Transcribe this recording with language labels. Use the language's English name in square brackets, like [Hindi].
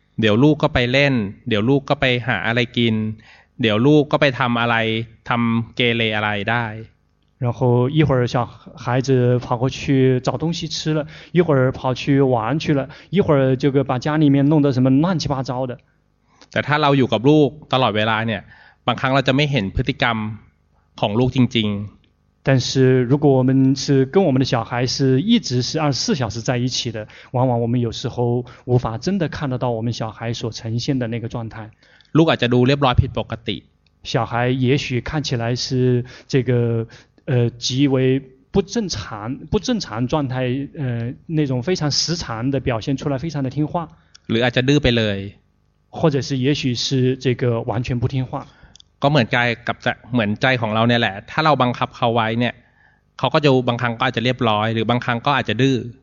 [Thai] เดี๋ยวลูกก็ไปเล่นเดี๋ยวลูกก็ไปหาอะไรกินเดี๋ยวลูกก็ไปทำอะไรทำเกเรอะไรได้ [Chinese] 然后一会儿小孩子跑过去找东西吃了一会儿跑去玩去了一会儿这个把家里面弄得什么乱七八糟的 [Thai] แต่ถ้าเราอยู่กับลูกตลอดเวลาเนี่ยบางครั้งเราจะไม่เห็นพฤติกรรมของลูกจริงๆ [Chinese] 但是如果我们是跟我们的小孩是一直是24小时在一起的往往我们有时候无法真的看得到我们小孩所呈现的那个状态 [Thai] ลูกอาจจะดูเรียบร้อยผิดปกติ [Chinese] 小孩也许看起来是这个极为不正常状态那种非常时常的表现出来非常的听话 [Thai] หรืออาจจะดื้อไปเลย [Chinese] 或者是也许是这个完全不听话 [Thai] ก็เหมือนใจกับเหมือนใจของเราเนี่ยแหละถ้าเราบังคับเขาไว้เนี่ยเขาก็จะบางครั้งก็อาจจะเรียบร้อยหรือบางครั้งก็อาจจะดื้อ